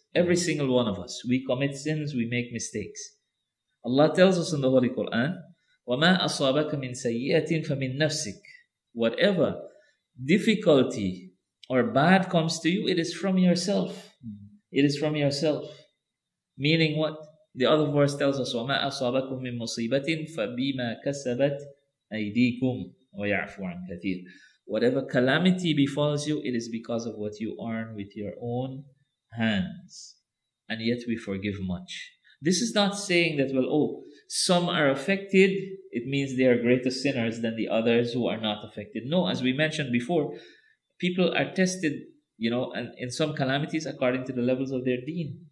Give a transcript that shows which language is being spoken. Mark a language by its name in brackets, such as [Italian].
[English] Every single one of us. We commit sins, we make mistakes. Allah tells us in the Holy Quran, [Arabic] وَمَا أَصَابَكَ مِنْ سَيِّئَةٍ فَمِنْ نَفْسِكَ. [English] Whatever difficulty or bad comes to you, it is from yourself. It is from yourself. Meaning what? The other verse tells us, [Arabic] وَمَا أَصَابَكُمْ مِنْ مُصِيبَةٍ فَبِمَا كَسَبَتْ أَيْدِيكُمْ وَيَعْفُ عَنْ كَثِيرٍ. [English] Whatever calamity befalls you, it is because of what you earn with your own hands. And yet we forgive much. This is not saying that, well, oh, some are affected, it means they are greater sinners than the others who are not affected. No, as we mentioned before, people are tested, you know, and in some calamities according to the levels of their deen.